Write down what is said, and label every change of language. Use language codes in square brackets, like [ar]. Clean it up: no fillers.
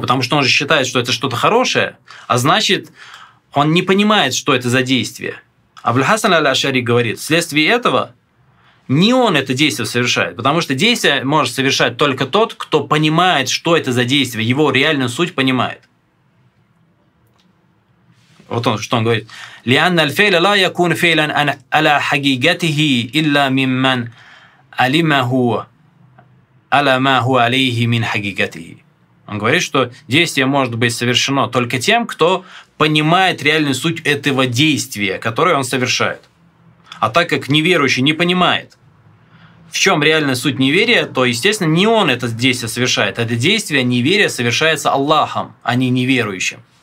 [ru] Потому что он же считает, что это что-то хорошее, а значит, он не понимает, что это за действие. Абуль-Хасан аль-Ашари говорит, вследствие этого не он это действие совершает, потому что действие может совершать только тот, кто понимает, что это за действие, его реальную суть понимает. Вот он, что он говорит. [ar] لأن الفعل لا يكون فعلا على حقيقته إلا ممن علمه على ما هو عليه من حقيقته. [ru] Он говорит, что действие может быть совершено только тем, кто понимает реальную суть этого действия, которое он совершает. А так как неверующий не понимает, в чем реальная суть неверия, то, естественно, не он это действие совершает. Это действие неверия совершается Аллахом, а не неверующим.